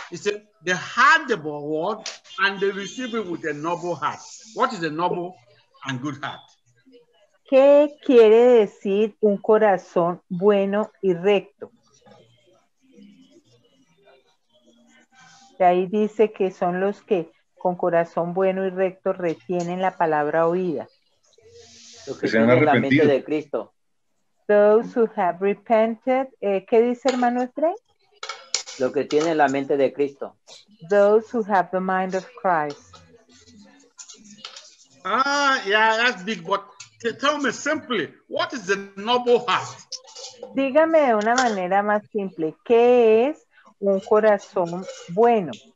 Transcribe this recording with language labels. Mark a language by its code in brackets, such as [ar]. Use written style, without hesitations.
[en] It's a, they heard the word and they receive it with a noble heart. What is a noble and good heart? [es] ¿Qué quiere decir un corazón bueno y recto? Y ahí dice que son los que con corazón bueno y recto retienen la palabra oída. que se han arrepentido. La mente de Cristo. [en] Those who have repented. [es] ¿Qué dice hermano Efraín? Lo que tiene la mente de Cristo. [en] Those who have the mind of Christ. Ah, yeah, that's big, but tell me simply, what is the noble heart? [es] Dígame de una manera más simple, ¿qué es un corazón bueno?